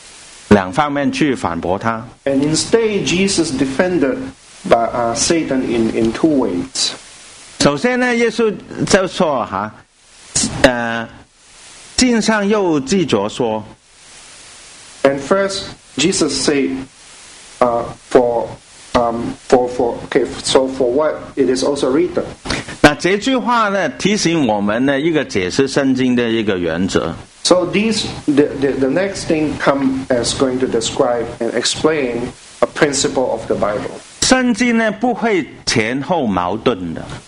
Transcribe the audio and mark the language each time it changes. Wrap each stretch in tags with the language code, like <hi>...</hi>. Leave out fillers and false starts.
<zh>反而呢，耶稣提出两方面的反驳撒旦的两方面去反驳他。</zh> <en>And instead, Jesus defended by Satan in two ways.</en> <zh>首先呢，耶稣就说哈。经上又记着说,</zh> <en>and first, Jesus said, for what it is also written.</en> <zh>那这句话呢，提醒我们呢一个解释圣经的一个原则。</zh> <en>So these the next thing come as going to describe and explain a principle of the Bible.</en> <zh>圣经呢不会前后矛盾的。</zh>